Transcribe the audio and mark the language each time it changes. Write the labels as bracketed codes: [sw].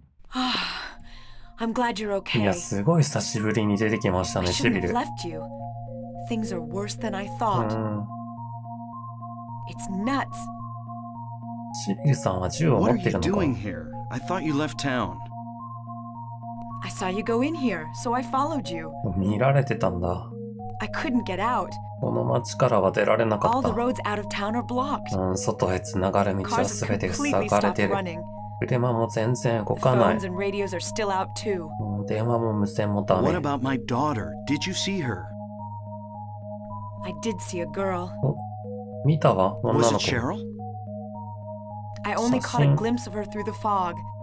[en] ああ、I'm glad you're okay. [ja] いや、すごい久しぶりに出てきましたね、シビル。 [en] Things are worse than I thought. It's nuts. [ja] シビルさんは銃を持ってるのか？ [en] What are you doing here? I thought you left town. I saw you go in here, so I followed you. [ja] 見られてたんだ。 [en] I couldn't get out. [ja] この町からは出られなかった。 [en] All the roads out of town are blocked. [ja] 外へ繋がる道は全て塞がれてる。車も全然動かない。 [en] The phones and radios are still out too. [ja] 電話も無線もダメ。 [en] What about my daughter? Did you see her? I did see a girl. [ja] 見たわ、女の子。 [en] Was it Cheryl? I only caught a glimpse of her through the fog.